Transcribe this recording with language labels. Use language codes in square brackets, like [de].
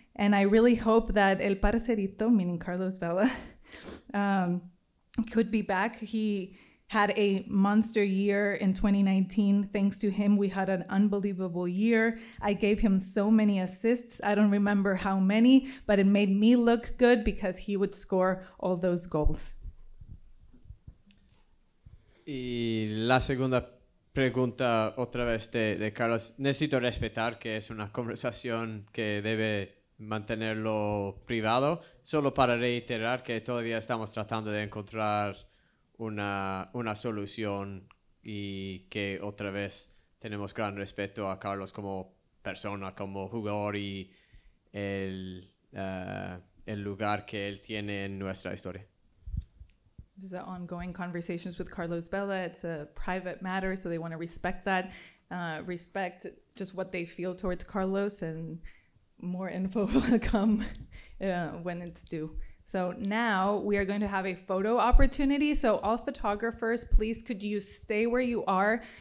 [en] And I really hope that El Parcerito, meaning Carlos Vela, could be back. He had a monster year in 2019. Thanks to him, we had an unbelievable year. I gave him so many assists. I don't remember how many, but it made me look good because he would score all those goals. [es] Y la segunda pregunta otra vez de Carlos. Necesito respetar que es una conversación que debe mantenerlo privado, solo para reiterar que todavía estamos tratando de encontrar una solución y que otra vez tenemos gran respeto a Carlos como persona, como jugador y el lugar que él tiene en nuestra historia. [en] This is an ongoing conversations with Carlos Vela. It's a private matter, so they want to respect that, respect just what they feel towards Carlos, and more info will come when it's due. So now we are going to have a photo opportunity. So all photographers, please, could you stay where you are?